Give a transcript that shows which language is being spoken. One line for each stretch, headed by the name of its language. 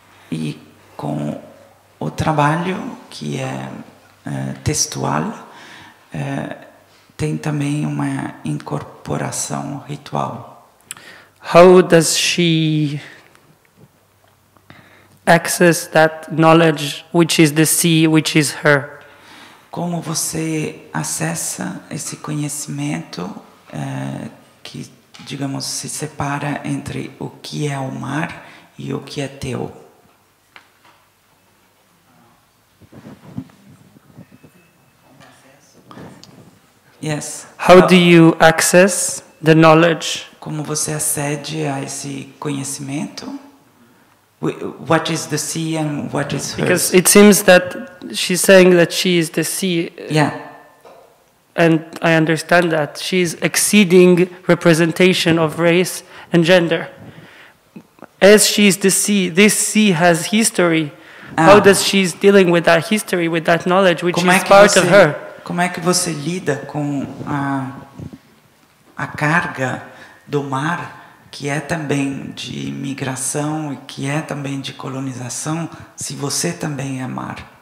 Portuguese: E com o trabalho que é textual tem também uma incorporação ritual.
English: How does she access that knowledge which is the sea, which is her?
Portuguese: Como você acessa esse conhecimento que, digamos, se separa entre o que é o mar e o que é teu?
English: Yes. How do you access the knowledge?
Portuguese: Como você acede a esse conhecimento?
English: What is the sea and what is her? Because it seems that she's saying that she is the sea. Yeah. And I understand that she's exceeding representation of race and gender. As she is the sea, this sea has history. How does she dealing with that history, with that knowledge, which is part of her?
Portuguese: Como é que você lida com a carga do mar, que é também de migração e que é também de colonização, se você também é mar?